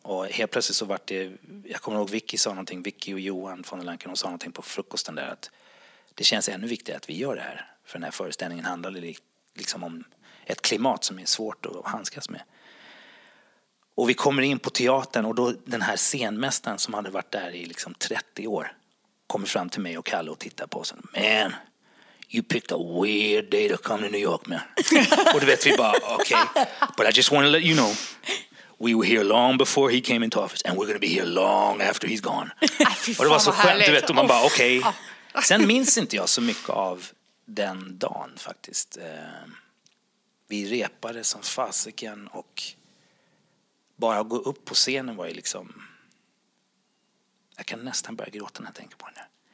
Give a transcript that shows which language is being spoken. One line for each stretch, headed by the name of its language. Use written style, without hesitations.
Swedish: Och helt plötsligt så var det, jag kommer ihåg Vicky sa någonting, Vicky och Johan von der Lanken, sa någonting på frukosten där, att det känns ännu viktigare att vi gör det här. För den här föreställningen handlade liksom om ett klimat som är svårt att handskas med. Och vi kommer in på teatern, och då den här scenmästaren som hade varit där i liksom 30 år kommer fram till mig och Kalle och tittar på oss.
English: Man, you picked a weird day to come to New York, man.
Swedish: Och du vet, vi bara,
English: okay. But I just want to let you know, we were here long before he came into office, and we're going to be here long after he's gone.
Swedish: Och det var så skönt, du vet. Och man bara, okay. Sen minns inte jag så mycket av den dagen, faktiskt. Vi repade som fasiken, och bara gå upp på scenen var ju liksom, jag kan nästan börja gråta när jag tänker på det nu.